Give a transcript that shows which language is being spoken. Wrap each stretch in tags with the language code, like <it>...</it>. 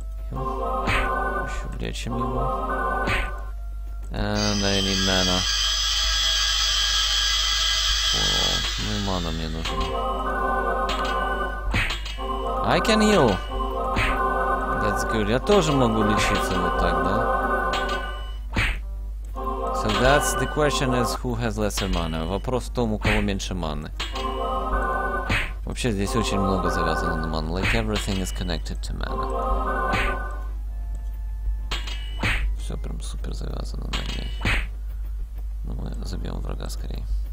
<ru>Еще влечим его. Да, или мана. Ну и мана мне нужна.</ru> <en>I can heal. That's good.</en> <ru>Я тоже могу лечиться вот так, да?</ru> <en>So that's the question is who has lesser mana.</en> <ru>Вопрос в том, у кого меньше маны. Вообще здесь очень много завязано на ману.</ru> <en>Like everything is connected to mana.</en> <ru>Все прям супер завязано на ней. Но мы забьем врага скорее.</ru>